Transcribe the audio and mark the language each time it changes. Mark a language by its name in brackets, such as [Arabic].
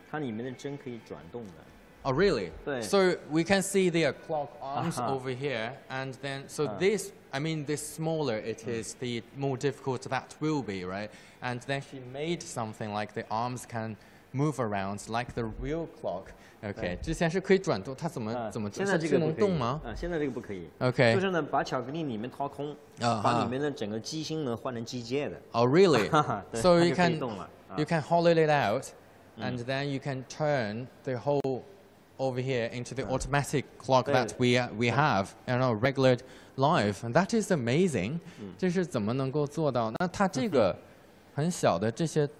[Chinese] 对，工艺呢和前面的工艺其实很相近的，很相近啊。我之前做了一个钟呢，是它里面的针可以转动的。 [English] Oh really? [Chinese] 对。 [English] So we can see the clock arms over here, and then so this, I mean, the smaller it is, the more difficult that will be, right? And then she made something like the arms can move around like the real clock. [Chinese] Okay, 之前是可以转动，它怎么能动吗？现在这个不可以。Okay, 就是呢，把巧克力里面掏空，把里面的整个机芯呢换成机械的。 [English] Oh really? So you can hollow it out, and then you can turn the whole over here into the automatic clock that we have in our regular life. That is amazing. [Chinese] 这是怎么能够做到？那它这个很小的这些。